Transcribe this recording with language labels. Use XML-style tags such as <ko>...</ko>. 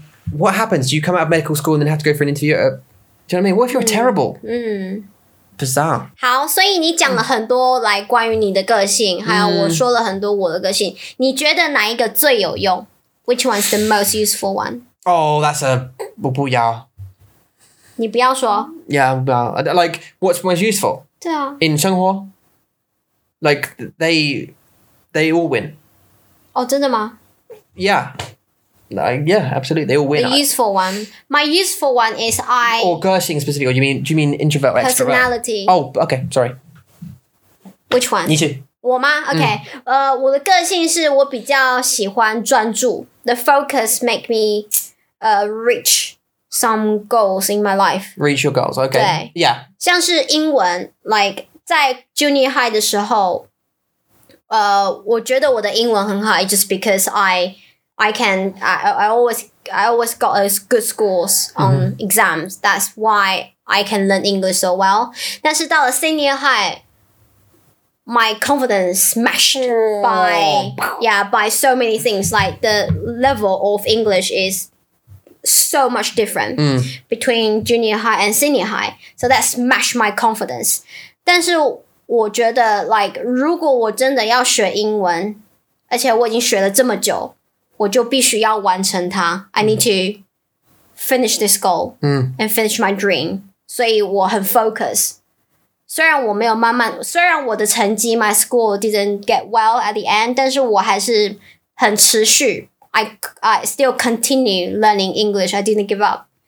<en>What happens? Do you come out of medical school and then have to go for an interview? Do you know what I mean? What if you're terrible? Bizarre.</en> <zh>好，所以你讲了很多 like 关于你的个性，还有我说了很多我的个性。你觉得哪一个最有用？</zh> <en>Which one's the most useful one? Oh, that's a</en> <zh>我不要。你不要说。</zh> <en>Yeah,</en> <zh>我不要。</zh> <en>Like what's most useful?</en> <zh>对啊。</zh> <en>In</en> <zh>生活。</zh> <en>Like they all win.</en> <zh>Oh, 真的吗？</zh> <en>Yeah. Yeah, absolutely. They all win. The useful one. My useful one is I... Or Gershing specifically. Do you mean introvert or extrovert? Personality. Oh, okay. Sorry. Which one?</en> <zh>你去。我吗?Okay. 我的个性是我比较喜欢专注.</zh> <en>The focus make me reach some goals in my life. Reach your goals. Okay.</en> <zh>对.</zh> <en>Yeah.</en> <zh>像是英文,</zh> <en>like 在 junior high</en> <zh>的时候, 我觉得我的英文很好,</zh> <en>just because I always got a good scores on exams. That's why I can learn English so well.</en> <zh>但是到了</zh> <en>senior high, my confidence smashed by so many things. Like the level of English is so much different between junior high and senior high. So that smashed my confidence.</en> <zh>但是我觉得 like 如果我真的要学英文, 而且我已经学了这么久, 我就必须要完成它.</zh> <en>I need to finish this goal and finish my dream.</en> <zh>所以我很 focus. 虽然我没有慢慢, 虽然我的成绩,</zh> <en>my school didn't get well at the end,</en> <zh>但是我还是很持续.</zh> <en>I still continue learning English. I didn't give up.</en>